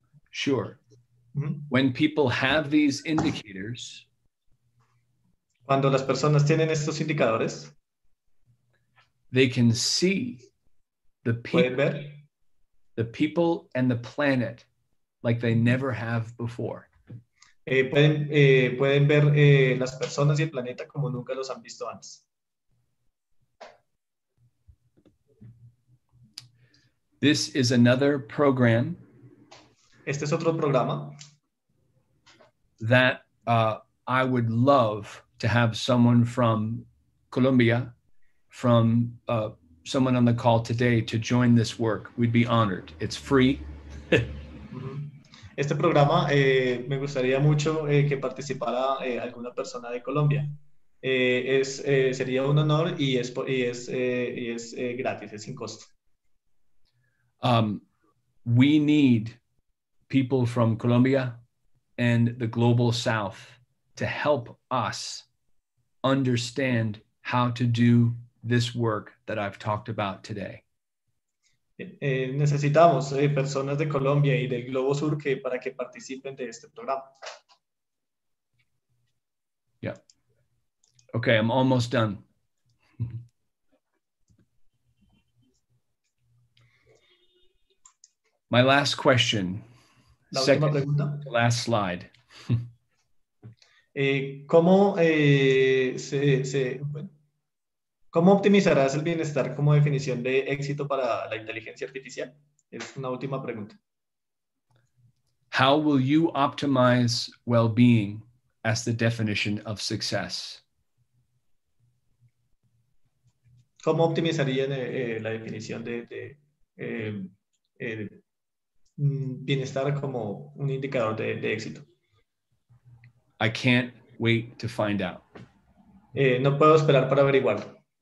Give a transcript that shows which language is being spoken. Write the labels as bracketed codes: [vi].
[en] Sure. Mm-hmm. When people have these indicators, [es] cuando las personas tienen estos indicadores, [en] they can see the people, the people and the planet like they never have before. [es] Pueden ver las personas y el planeta como nunca los han visto antes. [en] This is another program. [es] Este es otro programa [en] that I would love to have someone from Colombia, from someone on the call today to join this work. We'd be honored. It's free. [es] Este programa me gustaría mucho que participara alguna persona de Colombia. Sería un honor y es gratis, es sin costo. [en] We need people from Colombia and the global south to help us understand how to do this work that I've talked about today. [es] Necesitamos personas de Colombia y del globo sur que para que participen de este programa. [en] Yeah. Okay, I'm almost done. My last question. [es] La última [en] second, [es] pregunta. [en] Last slide. [es] ¿Cómo optimizarás el bienestar como definición de éxito para la inteligencia artificial? Es una última pregunta. [en] How will you optimize well-being as the definition of success? [es] ¿Cómo optimizarían la definición de bienestar como un indicador de éxito? [en] I can't wait to find out. [es] No puedo esperar para averiguarlo.